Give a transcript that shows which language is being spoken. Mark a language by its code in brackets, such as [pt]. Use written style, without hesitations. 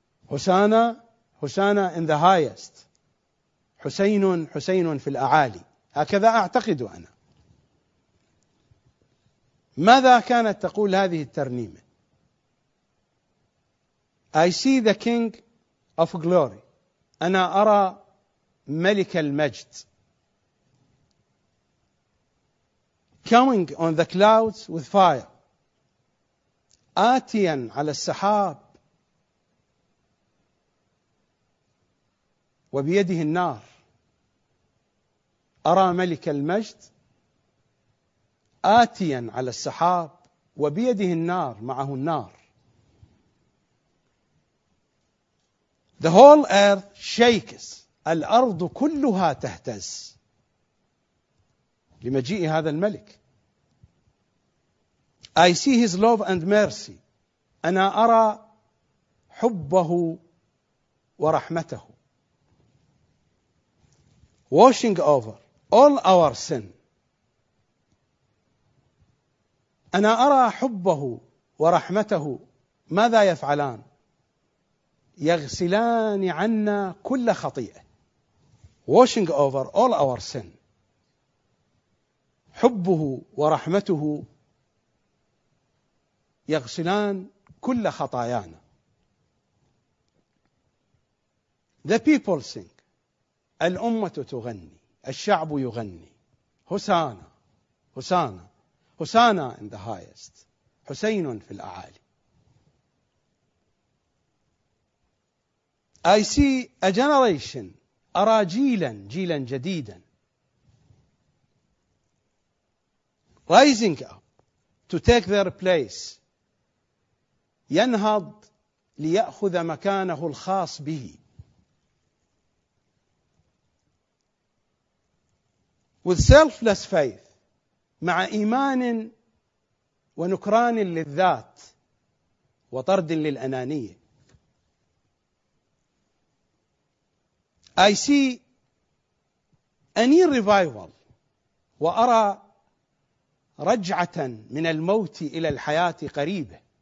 [ar] هوسانا هوسانا [en] in the highest، [ar] حسين حسين في الأعالي، هكذا أعتقد أنا. ماذا كانت تقول هذه الترنيمة؟ [en] I see the king of glory، [ar] أنا أرى ملك المجد. [en] Coming on the clouds with fire، [ar] آتيا على السحاب وبيده النار. أرى ملك المجد آتيا على السحاب وبيده النار، معه النار. [en] The whole earth shakes، [ar] الأرض كلها تهتز لمجيء هذا الملك. [en] I see his love and mercy، [ar] أنا أرى حبه ورحمته. [en] Washing over all our sin، [ar] أنا أرى حبه ورحمته، ماذا يفعلان؟ يغسلان عنا كل خطيئة. [en] Washing over all our sin، [ar] حبه ورحمته يغسلان كل خطايانا. [en] The people sing، [ar] الأمة تغني، الشعب يغني. هوسانا هوسانا هوسانا [en] in the highest، [ar] حسين في الأعالي. [en] I see a generation، [ar] أرى جيلا جيلا جديدا. [en] Rising up to take their place، [ar] ينهض ليأخذ مكانه الخاص به. [en] With selfless faith، [ar] مع إيمان ونكران للذات وطرد للأنانية. [en] I see a new revival، [ar] وأرى رجعة من الموت إلى الحياة قريبة.